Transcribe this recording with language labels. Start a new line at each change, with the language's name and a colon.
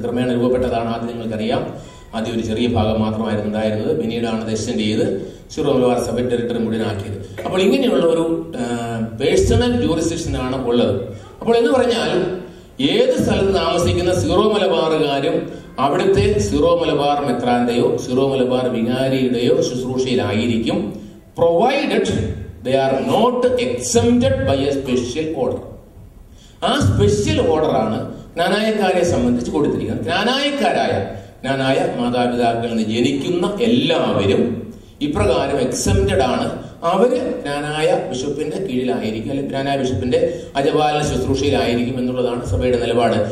Malayalam: ക്രമേണ രൂപപ്പെട്ടതാണ് ആദ്യം നിങ്ങൾക്കറിയാം. ആദ്യം ഒരു ചെറിയ ഭാഗം മാത്രമായിരുന്നു ഉണ്ടായിരുന്നത്, പിന്നീടാണ് എക്സ്റ്റൻഡ് ചെയ്ത് സിറോ മലബാർ സഭ ടെറിട്ടറി മുഴുവനാക്കിയത്. അപ്പോൾ ഇങ്ങനെയുള്ള ഒരു പേഴ്സണൽ ജൂറിസ്ഡിക്ഷനാണ് ഉള്ളത്. അപ്പോൾ എന്ന് പറഞ്ഞാൽ ഏത് സ്ഥലത്ത് താമസിക്കുന്ന സിറോ മലബാറുകാരും അവിടുത്തെ Syro Malabar മെത്രാന്റെയോ Syro Malabar വികാരിയുടെയോ ശുശ്രൂഷയിലായിരിക്കും.
English: Provided they are not exempted by a special order.
Malayalam: ആ സ്പെഷ്യൽ ഓർഡർ ആണ് ജ്ഞാനായക്കാരെ സംബന്ധിച്ച് കൊടുത്തിരിക്കുന്നത്. ജ്ഞാനായക്കാരായ ജ്ഞാനായ മാതാപിതാക്കളിൽ നിന്ന് ജനിക്കുന്ന എല്ലാവരും ഇപ്രകാരം എക്സംപ്റ്റഡ് ആണ്. അവര് ജ്ഞാനായ ബിഷപ്പിന്റെ കീഴിലായിരിക്കും, അല്ലെങ്കിൽ ജ്ഞാനായ ബിഷപ്പിന്റെ അജപാലന ശുശ്രൂഷയിലായിരിക്കും എന്നുള്ളതാണ് സഭയുടെ നിലപാട്.